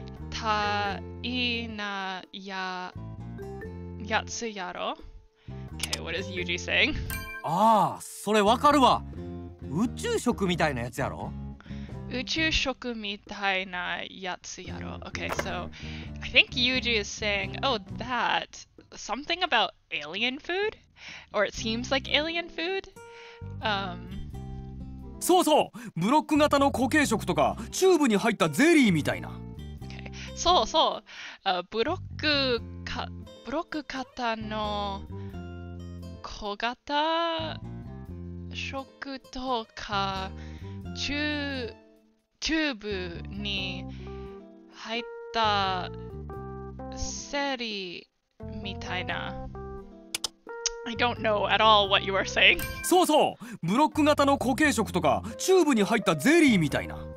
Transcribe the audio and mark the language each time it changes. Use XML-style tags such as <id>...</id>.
<ja>たいなややつやろ。</ja> <en>Okay, what is Yuji saying? Ah,</en> <ja>それわかるわ。宇宙食みたいなやつやろ。宇宙食みたいなやつやろ。</ja> <en>Okay, so I think Yuji is saying, oh, that something about alien food, or it seems like alien food.</en> <ja>そうそう、ブロック型の固形食とかチューブに入ったゼリーみたいな。</ja> <en>Okay,</en> <ja>そうそう、ブロック型の小型食とかチューブに入ったセリみたいな。</ja> <en>I don't know at all what you are saying.</en> <ja>そうそう、ブロック型の固形食とかチューブに入ったゼリーみたいな。</ja>